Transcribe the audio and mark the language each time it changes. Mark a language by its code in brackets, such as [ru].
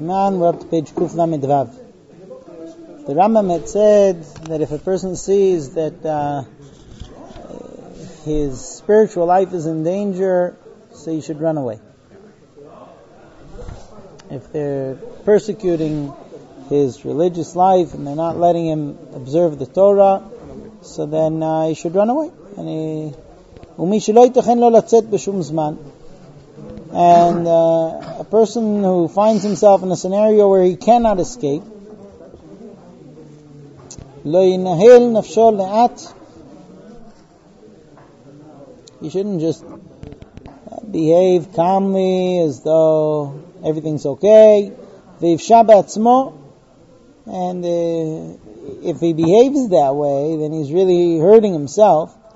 [en] Man, we're up to page Kuf Lamed Vav. The Rambam had said that if a person sees that his spiritual life is in danger, so he should run away. If they're persecuting his religious life and they're not letting him observe the Torah, so then he should run away. And he... [he] ומי שלא יתכן לו לצאת בשום זמן. [en] And a person who finds himself in a scenario where he cannot escape, [he] לא ינהל נפשו לאט, [en] he shouldn't just behave calmly as though everything's okay, [he] ויפשע בעצמו, [en] and if he behaves that way, then he's really hurting himself.